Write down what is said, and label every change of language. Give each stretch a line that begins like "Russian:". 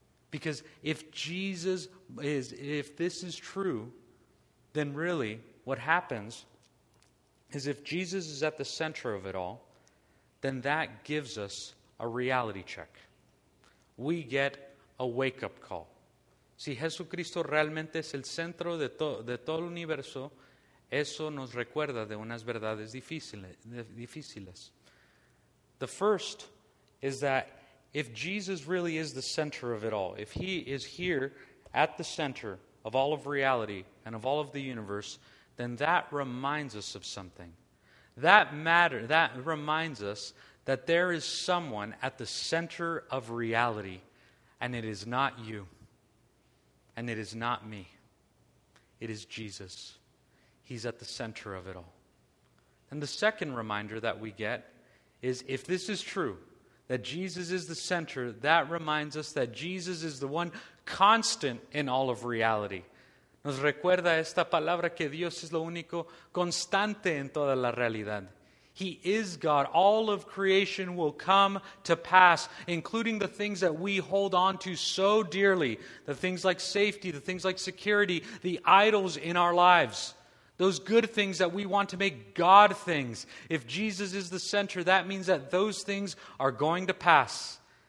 English: Because if this is true, then really what happens is if Jesus is at the center of it all, then that gives us a reality check. We get a wake-up call.
Spanish: Si Jesucristo realmente es el centro de todo el universo, eso nos recuerda de unas verdades difíciles.
English: The first is that if Jesus really is the center of it all, if he is here at the center of all of reality and of all of the universe, then that reminds us of something. That reminds us that there is someone at the center of reality, and it is not you, and it is not me. It is Jesus. He's at the center of it all. And the second reminder that we get is, if this is true, that Jesus is the center, that reminds us that Jesus is the one constant in all of reality.
Spanish: Nos recuerda esta palabra que Dios es lo único constante en toda la realidad.
English: He is God. All of creation will come to pass, including the things that we hold on to so dearly. The things like safety, the things like security, the idols in our lives. Those good things that we want to make God things. If Jesus is the center, that means that those things are going to pass.